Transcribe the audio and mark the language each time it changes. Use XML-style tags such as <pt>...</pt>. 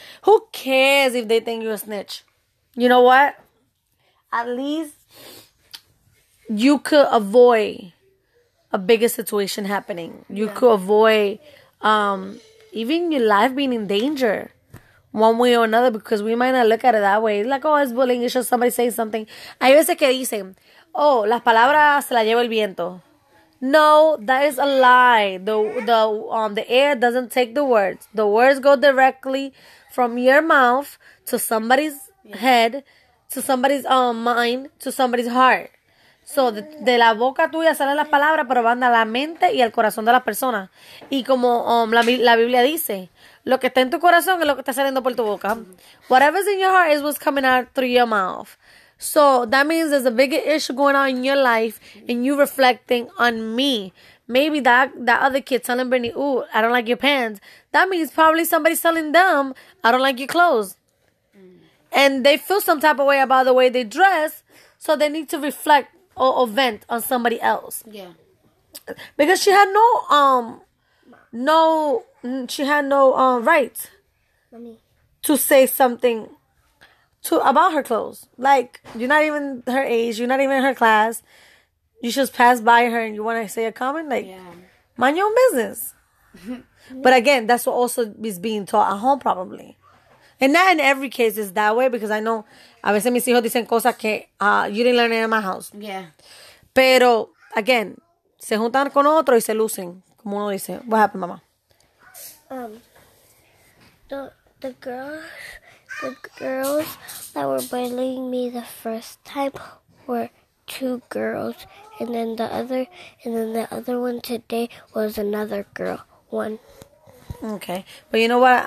<en>Who cares if they think you're a snitch? You know what? At least you could avoid a bigger situation happening. You could avoid even your life being in danger one way or another, because we might not look at it that way. It's like, oh, it's bullying. It's just somebody saying something.</en> <es>Hay veces que dicen, oh, las palabras se las lleva el viento.</es> <en>No, that is a lie. The air doesn't take the words. The words go directly from your mouth to somebody's head, to somebody's mind, to somebody's heart.</en> <es>So, de la boca tuya salen las palabras, pero van a la mente y al corazón de las personas. Y como la Biblia dice, lo que está en tu corazón es lo que está saliendo por tu boca.</es> <en>Whatever's in your heart is what's coming out through your mouth. So that means there's a bigger issue going on in your life and you reflecting on me. Maybe that other kid telling Brittany, ooh, I don't like your pants. That means probably somebody's telling them, I don't like your clothes. And they feel some type of way about the way they dress, so they need to reflect or vent on somebody else. Yeah. Because she had no right to say something about her clothes. Like, you're not even her age, you're not even in her class, you just pass by her and you want to say a comment, like, yeah, mind your own business. But again, that's what also is being taught at home, probably. And not in every case is that way, because I know</en> <es>a veces mis hijos dicen cosas que</es> <en>you didn't learn it in my house. Yeah.</en> <es>Pero, again, se juntan con otro y se lucen, como uno dice.</es> <en>What happened, mama? The girls that were bullying me the first time were two girls, and then the other one today was another girl. One. Okay, but you know what?</en>